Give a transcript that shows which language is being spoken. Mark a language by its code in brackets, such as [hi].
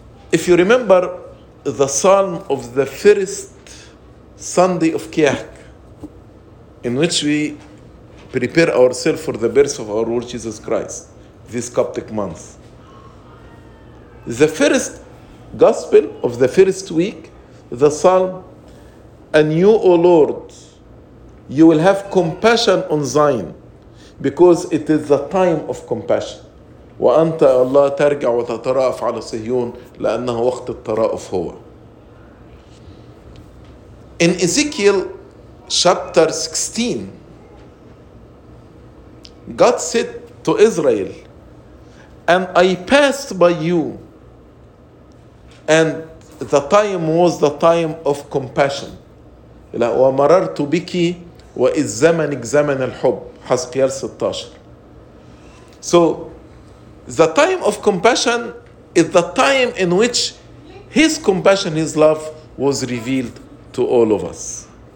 [en] If you remember the psalm of the first Sunday of Kiyak, in which we prepare ourselves for the birth of our Lord Jesus Christ, this Coptic month. The first gospel of the first week, the psalm, "And you, O Lord, you will have compassion on Zion, because it is the time of compassion. [ar] وأنت الله ترجع وتترأف على صهيون لأنه وقت الترأف هو." [en] In Ezekiel chapter 16, God said to Israel, "And I passed by you, and the time was the time of compassion." [ar] ومررت بك وإذ زمنك زمن الحب. حسقيال 16. [en] So the time of compassion is the time in which his compassion, his love was revealed to all of us.